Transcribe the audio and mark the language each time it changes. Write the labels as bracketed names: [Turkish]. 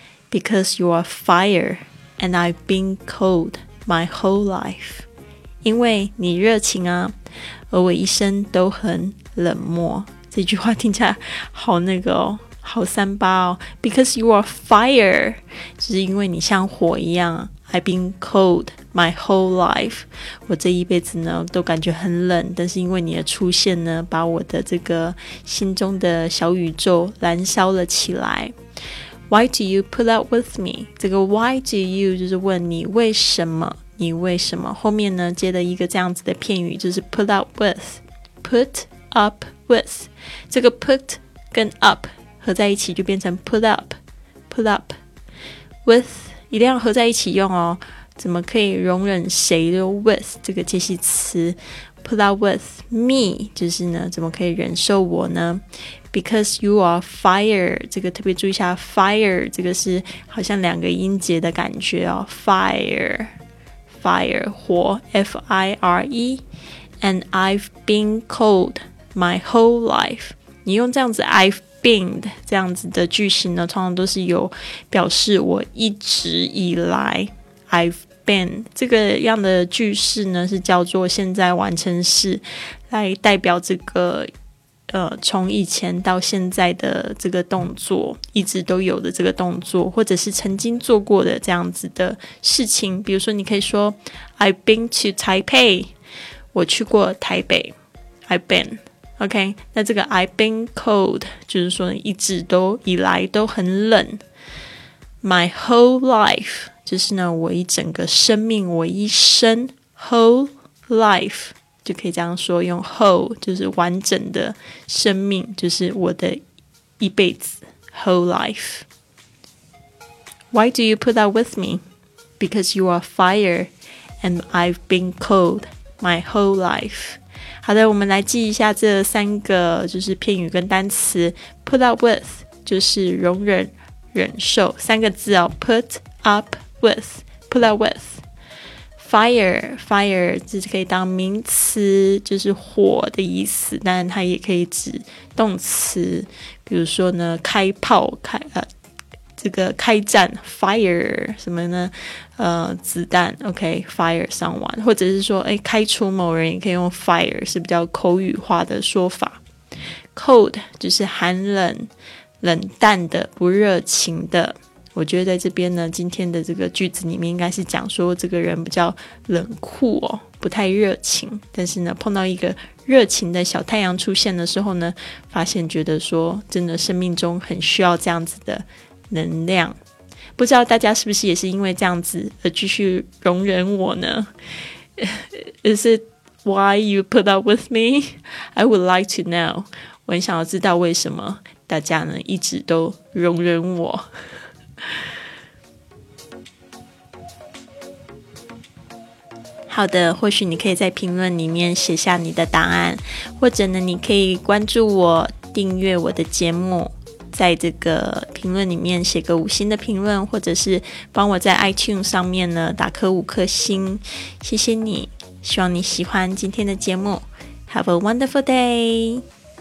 [English] Because you are fire and I've been cold my whole life. [Chinese] 因为你热情啊，而我一生都很冷漠。这句话听起来好那个哦，好三八哦。 [English] Because you are fire， [Chinese] 就是因为你像火一样。 [English] I've been cold my whole life， [Chinese] 我这一辈子呢都感觉很冷，但是因为你的出现呢，把我的这个心中的小宇宙燃烧了起来。 [English] Why do you put up with me？ [Chinese] 这个 [English] Why do you [Chinese] 就是问你为什么，你为什么后面呢接了一个这样子的片语，就是 [English] put up with， [Chinese] put up。 With 这个 put 跟 up 合在一起就变成 put up， [English] put up with [Chinese] 一定要合在一起用哦。怎么可以容忍谁的 with 这个介系词？ [English] put up with me [Chinese] 就是呢，怎么可以忍受我呢？ [English] Because you are fire， [Chinese] 这个特别注意一下， fire 这个是好像两个音节的感觉哦， fire， fire 火， f i r e， [English] and I've been cold。 My whole life， [Chinese] 你用这样子 I've been 这样子的句型呢，通常都是有表示我一直以来 I've been 这个样的句式呢，是叫做现在完成式，来代表这个从以前到现在的这个动作，一直都有的这个动作，或者是曾经做过的这样子的事情。比如说你可以说 [English] I've been to Taipei， [Chinese] 我去过台北， I've beenOK， 那这个 I've been cold 就是说一直都以来都很冷。 [English] My whole life [Chinese] 就是呢我一整个生命，我一生 whole life 就可以这样说，用 whole 就是完整的生命，就是我的一辈子 whole life。 [English] Why do you put up with me? Because you are fire and I've been cold my whole life。 [Chinese] 好的，我们来记一下这三个就是片语跟单词。 [English] Put up with [Chinese] 就是容忍忍受，三个字哦， Put up with， Put up with。 Fire， Fire 这是可以当名词，就是火的意思，但它也可以指动词，比如说呢开炮，开这个开战 fire 什么呢？子弹 ，OK， [English] fire someone， [Chinese] 或者是说，哎，开除某人，也可以用 fire， 是比较口语化的说法。 Cold 就是寒冷、冷淡的、不热情的。我觉得在这边呢，今天的这个句子里面应该是讲说这个人比较冷酷哦，不太热情。但是呢，碰到一个热情的小太阳出现的时候呢，发现觉得说，真的生命中很需要这样子的。能量，不知道大家是不是也是因为这样子而继续容忍我呢？ [English] Is it why you put up with me? I would like to know. [Chinese] 我很想要知道为什么大家呢一直都容忍我。好的，或许你可以在评论里面写下你的答案，或者呢你可以关注我，订阅我的节目，在这个评论里面写个五星的评论，或者是帮我在 iTunes 上面呢打颗五颗星，谢谢你，希望你喜欢今天的节目。 [English] Have a wonderful day.